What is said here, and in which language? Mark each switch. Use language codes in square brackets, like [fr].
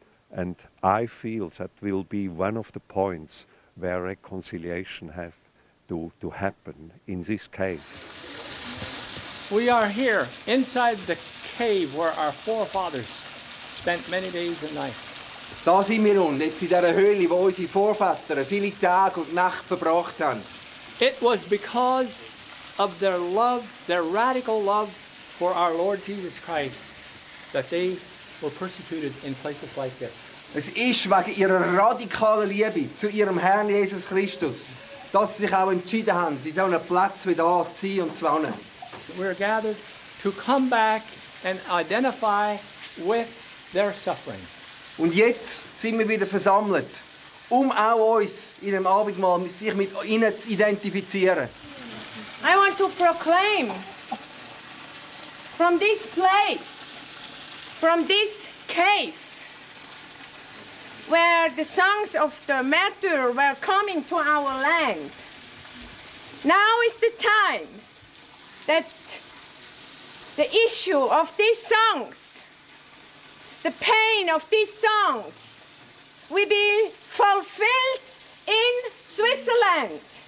[en] And I feel that will be one of the points where reconciliation have to happen in this cave. We are here inside the cave where our forefathers spent many days and nights. [de] Da sind wir nun, jetzt in dieser Höhle, wo unsere Vorväter viele Tage und Nacht verbracht haben. [en] It was because of their love, their radical love for our Lord Jesus Christ, that they were persecuted in places like this. [de] Es ist wegen ihrer radikalen Liebe zu ihrem Herrn Jesus Christus, dass sie sich auch entschieden haben, in so einem Platz wie da zu sein und zu wohnen. [en] We're gathered to come back and identify with their suffering. [de] Und jetzt sind wir wieder versammelt, auch uns in dem Abendmahl sich mit ihnen zu identifizieren. [en] I want to proclaim from this place, from this cave, where the songs of the martyr were coming to our land. Now is the time that the issue of these songs, the pain of these songs, will be fulfilled in Switzerland.